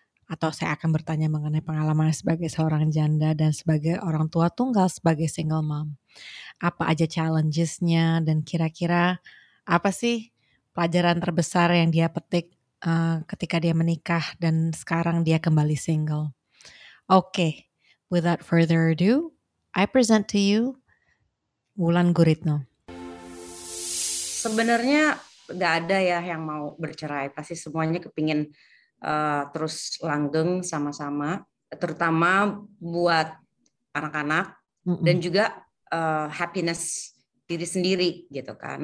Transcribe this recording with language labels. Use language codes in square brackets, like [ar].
[id] Atau saya akan bertanya mengenai pengalaman sebagai seorang janda dan sebagai orang tua tunggal sebagai [en] single mom. [id] Apa aja challenges-nya dan kira-kira apa sih pelajaran terbesar yang dia petik ketika dia menikah dan sekarang dia kembali single. [en] Oke, without further ado, I present to you Wulan Guritno. [id] Sebenarnya gak ada ya yang mau bercerai, pasti semuanya kepingin terus langgeng sama-sama, terutama buat anak-anak dan juga happiness diri sendiri gitu kan.